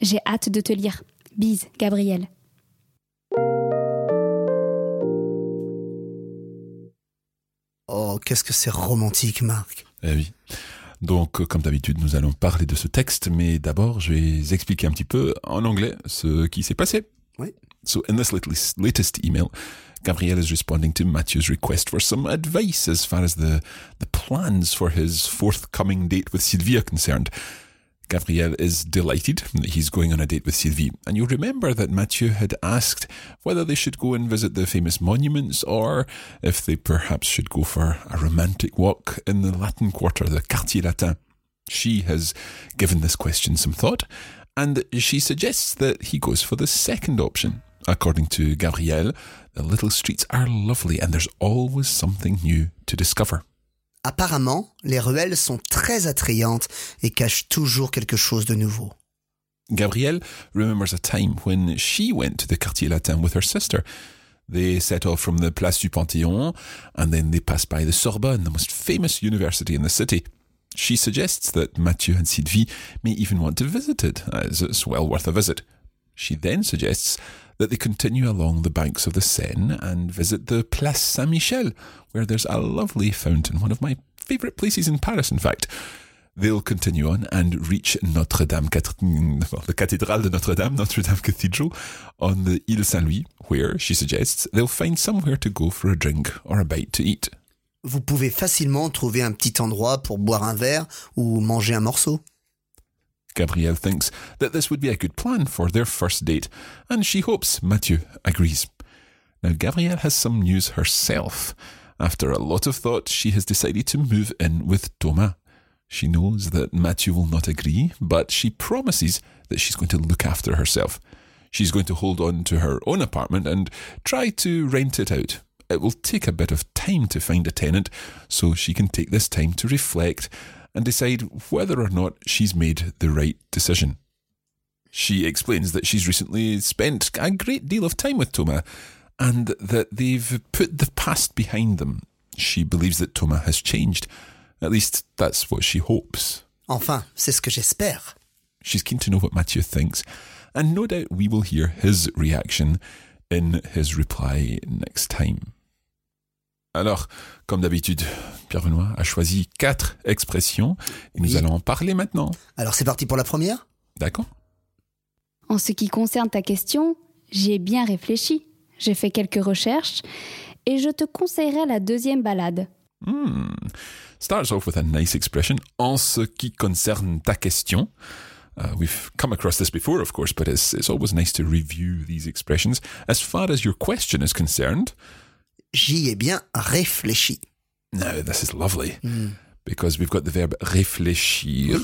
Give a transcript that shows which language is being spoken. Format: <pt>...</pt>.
<fr>J'ai hâte de te lire. Bise, Gabriel. Oh, qu'est-ce que c'est romantique, Marc. Eh oui. Donc, comme d'habitude, nous allons parler de ce texte, mais d'abord, je vais expliquer un petit peu en anglais ce qui s'est passé. Oui.</fr> <en>So, in this latest email, Gabriel is responding to Mathieu's request for some advice as far as the plans for his forthcoming date with Sylvie are concerned. Gabriel is delighted that he's going on a date with Sylvie. And you remember that Mathieu had asked whether they should go and visit the famous monuments or if they perhaps should go for a romantic walk in the Latin Quarter, the Quartier Latin. She has given this question some thought and she suggests that he goes for the second option. According to Gabriel, the little streets are lovely and there's always something new to discover.</en> <fr>Apparemment, les ruelles sont très attrayantes et cachent toujours quelque chose de nouveau.</fr> <en>Gabrielle remembers a time when she went to the Quartier Latin with her sister. They set off from the Place du Panthéon and then they passed by the Sorbonne, the most famous university in the city. She suggests that Mathieu and Sylvie may even want to visit it, as it's well worth a visit. She then suggests that they continue along the banks of the Seine and visit the Place Saint-Michel, where there's a lovely fountain, one of my favourite places in Paris, in fact. They'll continue on and reach the Cathedral de Notre-Dame, Notre-Dame Cathedral, on the Île Saint-Louis, where, she suggests, they'll find somewhere to go for a drink or a bite to eat.</en> <fr>Vous pouvez facilement trouver un petit endroit pour boire un verre ou manger un morceau.</fr> <en>Gabriel thinks that this would be a good plan for their first date, and she hopes Mathieu agrees. Now, Gabriel has some news herself. After a lot of thought, she has decided to move in with Thomas. She knows that Mathieu will not agree, but she promises that she's going to look after herself. She's going to hold on to her own apartment and try to rent it out. It will take a bit of time to find a tenant, so she can take this time to reflect and decide whether or not she's made the right decision. She explains that she's recently spent a great deal of time with Thomas and that they've put the past behind them. She believes that Thomas has changed. At least, that's what she hopes.</en> <fr>Enfin, c'est ce que j'espère.</fr> <en>She's keen to know what Mathieu thinks, and no doubt we will hear his reaction in his reply next time.</en> <fr>Alors, comme d'habitude, Pierre-Benoît a choisi quatre expressions et nous allons en parler maintenant. Alors c'est parti pour la première. D'accord. En ce qui concerne ta question, j'y ai bien réfléchi. J'ai fait quelques recherches et je te conseillerais la deuxième balade.</fr> <en>Starts off with a nice expression.</en> <fr>En ce qui concerne ta question.</fr> <en>We've come across this before, of course, but it's always nice to review these expressions. As far as your question is concerned...</en> <fr>J'y ai bien réfléchi.</fr> <en>No, this is lovely. Because we've got the verb réfléchir.</en>